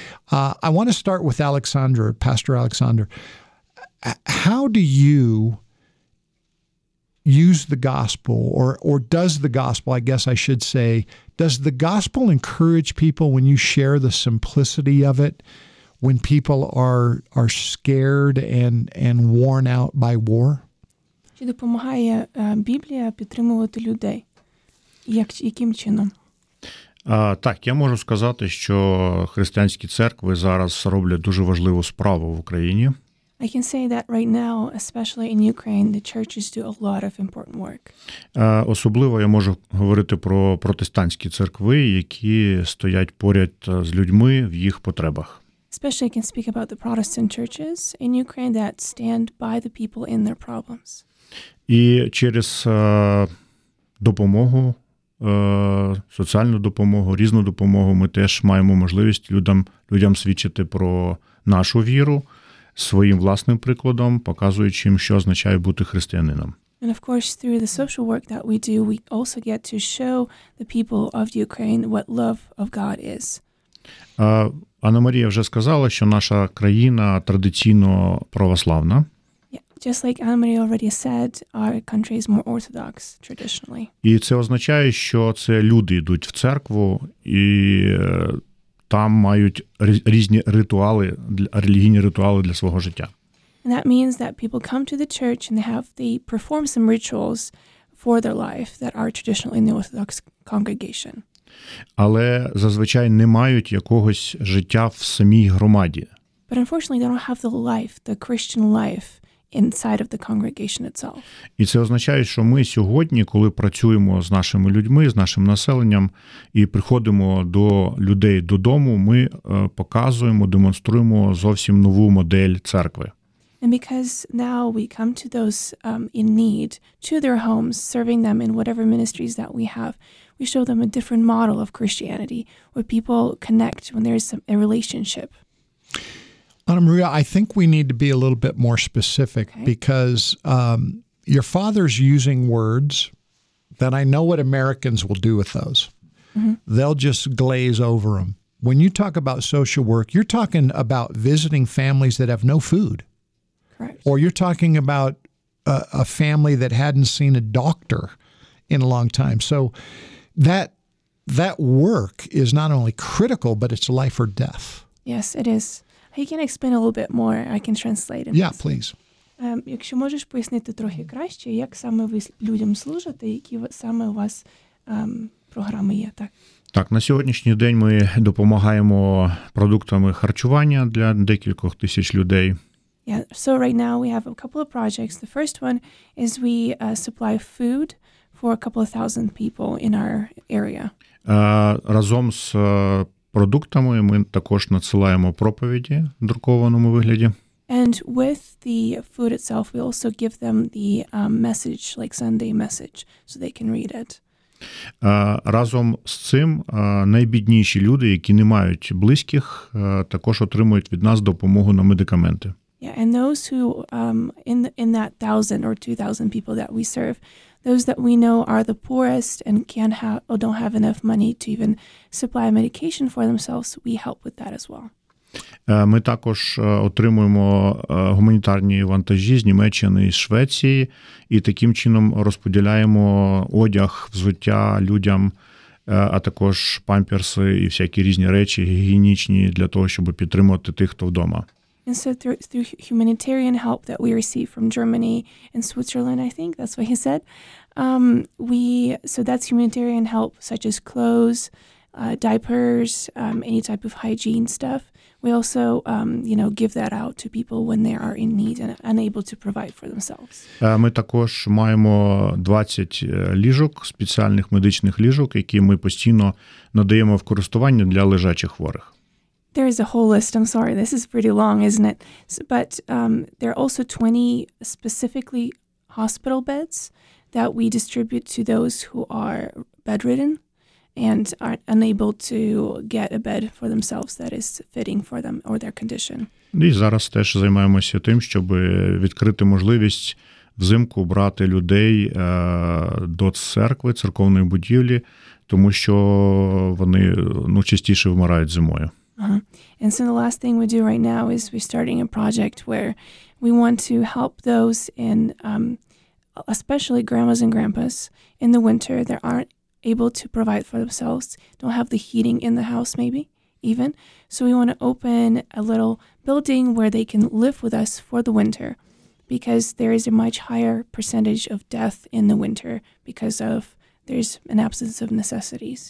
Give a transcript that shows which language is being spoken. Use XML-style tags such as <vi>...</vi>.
<en>I want to start with Alexander, Pastor Alexander. How do you use the gospel or does the gospel, I guess I should say, does the gospel encourage people when you share the simplicity of it, when people are scared and worn out by war?</en> <uk>Чи допомагає Біблія підтримувати людей? Яким чином? Так, я можу сказати, що християнські церкви зараз роблять дуже важливу справу в Україні.</uk> <en>I can say that right now, especially in Ukraine, the churches do a lot of important work.</en> <uk>Особливо я можу говорити про протестантські церкви, які стоять поряд з людьми в їх потребах.</uk> <en>Especially I can speak about the Protestant churches in Ukraine that stand by the people in their problems.</en> <uk>І через допомогу соціальну допомогу, різну допомогу, ми теж маємо можливість людям свідчити про нашу віру своїм власним прикладом, показуючи їм, що означає бути християнином.</uk> <en>And of course, through the social work that we do, we also get to show the people of Ukraine what love of God is.</en> <uk>Анна Марія вже сказала, що наша країна традиційно православна.</uk> <en>Just like Anna-Maria already said, our country is more orthodox traditionally.</en> <uk>І це означає, що це люди йдуть в церкву і там мають різні ритуали, релігійні ритуали для свого життя.</uk> <en>And that means that people come to the church and they perform some rituals for their life that are traditional in the orthodox congregation.</en> <uk>Але зазвичай не мають якогось життя в самій громаді.</uk> <en>But unfortunately they don't have the life, the Christian life inside of the congregation itself.</en> <uk>І це означає, що ми сьогодні, коли працюємо з нашими людьми, з нашим населенням і приходимо до людей додому, ми показуємо, демонструємо зовсім нову модель церкви.</uk> <en>And because now we come to those in need, to their homes, serving them in whatever ministries that we have, we show them a different model of Christianity where people connect when there is a relationship. Anna Maria, I think we need to be a little bit more specific because your father's using words that I know what Americans will do with those. Mm-hmm. They'll just glaze over them. When you talk about social work, you're talking about visiting families that have no food. Correct. Or you're talking about a family that hadn't seen a doctor in a long time. So that work is not only critical, but it's life or death. Yes, it is. He can explain a little bit more. I can translate it. Yeah, please.</en> <uk>Якщо можеш пояснити трохи краще, як саме ви людям служите, які саме у вас програми є, так? Так, на сьогоднішній день ми допомагаємо продуктами харчування для декількох тисяч людей.</uk> <en>Yeah, so right now we have a couple of projects. The first one is we supply food for a couple of thousand people in our area.</en> <uk>Разом з продуктами ми також надсилаємо проповіді в друкованому вигляді.</uk> <en>And with the food itself, we also give them the message, like Sunday message, so they can read it.</en> <uk>Разом з цим найбідніші люди, які не мають близьких, також отримують від нас допомогу на медикаменти.</uk> <en>Yeah, and those who in that 1,000 or 2,000 people that we serve, those that we know are the poorest and can't have or don't have enough money to even supply medication for themselves, we help with that as well.</en> <uk>Ми також отримуємо гуманітарні вантажі з Німеччини і Швеції, і таким чином розподіляємо одяг, взуття людям, а також памперси і всякі різні речі гігієнічні для того, щоб підтримувати тих, хто вдома.</uk> <en>And so through humanitarian help that we receive from Germany and Switzerland, I think that's what he said. So that's humanitarian help such as clothes, diapers, any type of hygiene stuff. We also, give that out to people when they are in need and unable to provide for themselves.</en> <uk>Ми також маємо 20 ліжок, спеціальних медичних ліжок, які ми постійно надаємо в користування для лежачих хворих.</uk> <en>There is a whole list. I'm sorry. This is pretty long, isn't it? But there are also 20 specifically hospital beds that we distribute to those who are bedridden and are unable to get a bed for themselves that is fitting for them or their condition.</en> <uk>І зараз теж займаємося тим, щоб відкрити можливість взимку брати людей до церкви, церковної будівлі, тому що вони, частіше вмирають зимою. Uh-huh.</uk> <en>And so the last thing we do right now is we're starting a project where we want to help those in, especially grandmas and grandpas, in the winter that aren't able to provide for themselves, don't have the heating in the house maybe even. So we want to open a little building where they can live with us for the winter because there is a much higher percentage of death in the winter because of there's an absence of necessities.</en>